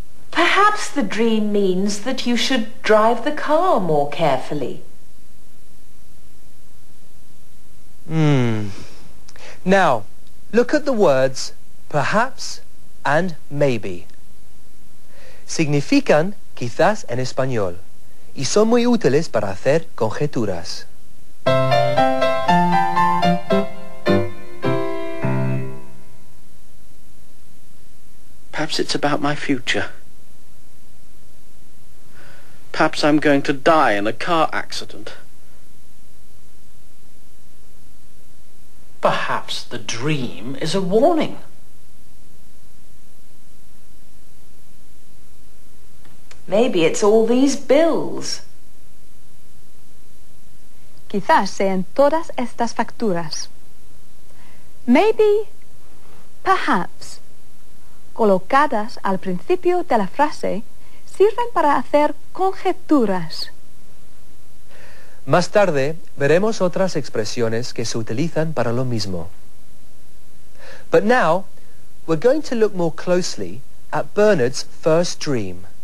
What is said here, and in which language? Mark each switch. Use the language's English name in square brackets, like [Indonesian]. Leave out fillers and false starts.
[English] Perhaps the dream means that you should drive the car more carefully. Now, look at the words perhaps and maybe. [Spanish] Significan quizás en español y son muy útiles para hacer conjeturas. [English] Perhaps it's about my future. Perhaps I'm going to die in a car accident. Perhaps the dream is a warning. Maybe it's all these bills. [Spanish] Quizás sean todas estas facturas. Maybe, perhaps, colocadas al principio de la frase, sirven para hacer conjeturas. Más tarde veremos otras expresiones que se utilizan para lo mismo. [English] But now, we're going to look more closely at Bernard's first dream.